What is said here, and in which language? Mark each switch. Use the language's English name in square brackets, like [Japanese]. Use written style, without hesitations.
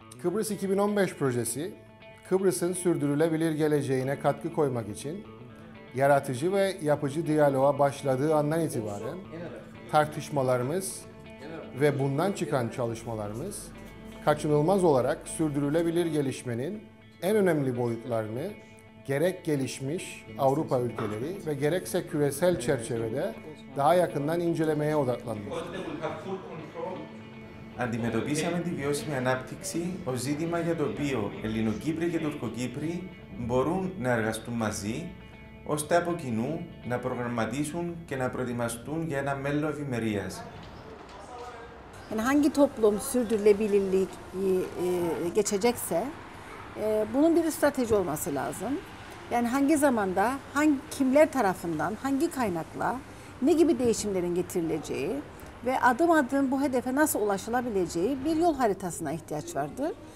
[Turkish] Kıbrıs 2015 projesi, Kıbrıs'ın sürdürülebilir geleceğine katkı koymak için yaratıcı ve yapıcı diyaloğa başladığı andan itibaren tartışmalarımız ve bundan çıkan çalışmalarımız kaçınılmaz olarak sürdürülebilir gelişmenin en önemli boyutlarını gerek gelişmiş Avrupa ülkeleri ve gerekse küresel çerçevede daha yakından incelemeye odaklanmış. [Greek] Αντιμετωπίσαμε τη βιώσιμη ανάπτυξη ως ζήτημα για το οποίο Ελληνοκύπροι και Τουρκοκύπροι μπορούν να εργαστούν μαζί, ώστε από κοινού να προγραμματίσουν και να προετοιμαστούν για ένα μέλλον ευημερίας. [Turkish] Hangi toplum sürdürülebilirliği geçecekse, bunun bir strateji olması lazım. Yani hangi zamanda, hangi kimler tarafından, hangi kaynakla, ne gibi değişimlerin getirileceği ve adım adım bu hedefe nasıl ulaşılabileceği bir yol haritasına ihtiyaç vardır.